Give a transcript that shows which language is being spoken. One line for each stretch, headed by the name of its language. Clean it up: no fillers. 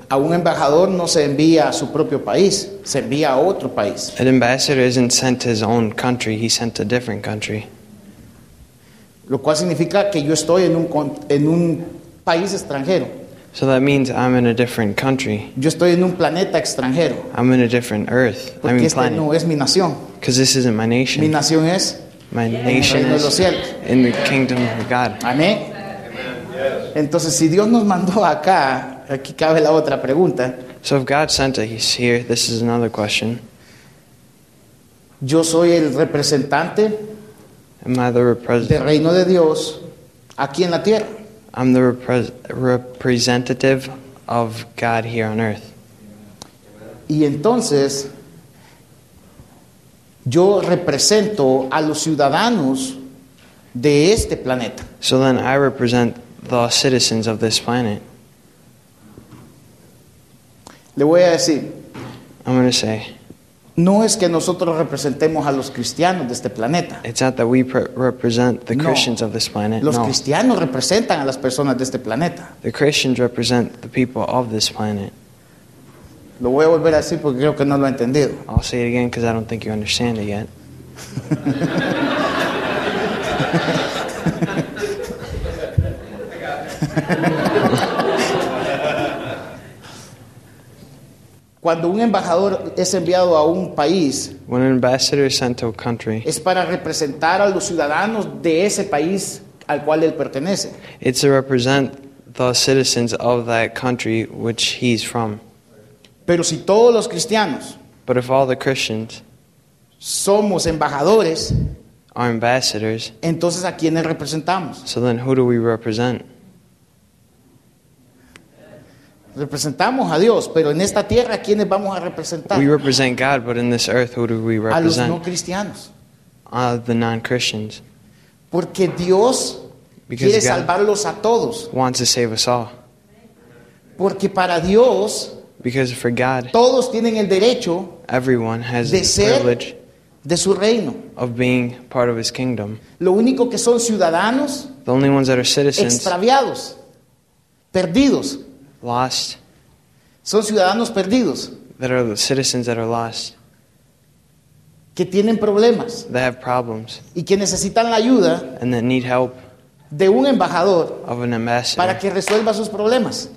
Spanish: A un embajador no se envía a su propio país, se envía a otro país.
English: An ambassador isn't sent to his own country, he's sent to a different country.
Spanish: Lo cual significa que yo estoy en un país extranjero.
English: So that means I'm in a different country.
Spanish: Yo estoy en un planeta extranjero.
English: I'm in a different earth.
Spanish: Porque
English: I mean
Spanish: planet. No es mi nación.
English: Because this isn't my nation.
Spanish: Mi nación es.
English: My nation
Spanish: reino
English: is
Spanish: de los cielos.
English: In the kingdom of God.
Spanish: Amén. Entonces, si Dios nos mandó acá, aquí cabe la otra pregunta.
English: So if God sent us here, this is another question.
Spanish: Yo soy el representante.
English: Am I the representative?
Spanish: Del reino de Dios aquí en la tierra.
English: I'm the representative of God here on earth.
Spanish: Y entonces yo represento a los ciudadanos de este planeta.
English: So then I represent the citizens of this planet.
Spanish: Le voy a decir.
English: I'm going to say.
Spanish: No es que nosotros representemos a los cristianos de este planeta.
English: It's not that we represent the Christians of this planet.
Spanish: Los cristianos representan a las personas de este planeta.
English: The Christians represent the people of this planet.
Spanish: Lo voy a volver a decir porque creo que no lo he entendido.
English: I'll say it again because I don't think you understand it yet.
Spanish: Cuando un embajador es enviado a un país,
English: when an ambassador is sent to a country,
Spanish: es para representar a los ciudadanos de ese país al cual él pertenece.
English: It's to represent the citizens of that country which he's from.
Spanish: Pero si todos los cristianos,
English: but if all the Christians,
Spanish: somos embajadores,
English: are ambassadors,
Spanish: entonces ¿a quiénes representamos?
English: So then who do we represent?
Spanish: Representamos a Dios, pero en esta tierra ¿quiénes vamos a representar?
English: We represent God, but in this earth who do we represent?
Spanish: A los no cristianos.
English: The non-Christians.
Spanish: Porque Dios quiere salvarlos a todos.
English: Wants to save us all.
Spanish: Porque para Dios,
English: because for God,
Spanish: todos tienen el derecho
English: everyone has
Spanish: de ser
English: privilege
Spanish: de su reino.
English: Of being part of his kingdom.
Spanish: Lo único que son ciudadanos,
English: the only ones that are citizens,
Spanish: extraviados, perdidos,
English: lost,
Spanish: son ciudadanos perdidos,
English: that are the citizens that are lost,
Spanish: que tienen problemas,
English: that have problems,
Spanish: y que necesitan la ayuda,
English: and that need help,
Spanish: de un embajador,
English: of an ambassador,
Spanish: para que resuelva sus problemas,